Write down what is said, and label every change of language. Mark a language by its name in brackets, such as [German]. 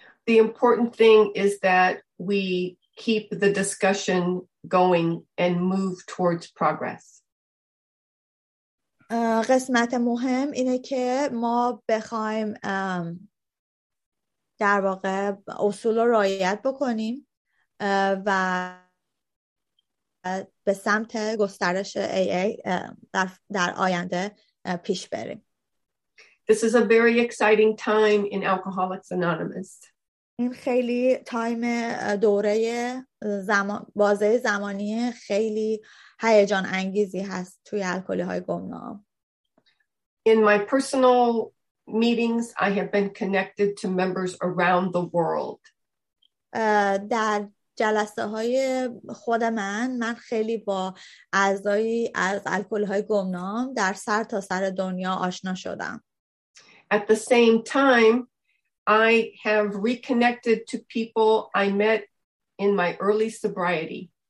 [English] The important thing is that we keep the discussion going and move towards progress. [Persian] قسمت مهم اینه که ما بخوایم در واقع اصول رو رعایت بکنیم و به سمت گسترش AA در آینده پیش بریم. [English] This is a very exciting time in Alcoholics Anonymous. [Persian] این خیلی تایم دوره زمان بازه زمانی خیلی هیجان انگیزی هست توی الکلی‌های گمنام. [English] In my personal meetings, I have been connected to members around the world. [Persian] در جلسه‌های خود من خیلی با اعضایی از الکل‌های گمنام در سرتاسر دنیا آشنا شدم. [English] At the same time, I have reconnected to people I met in my early sobriety.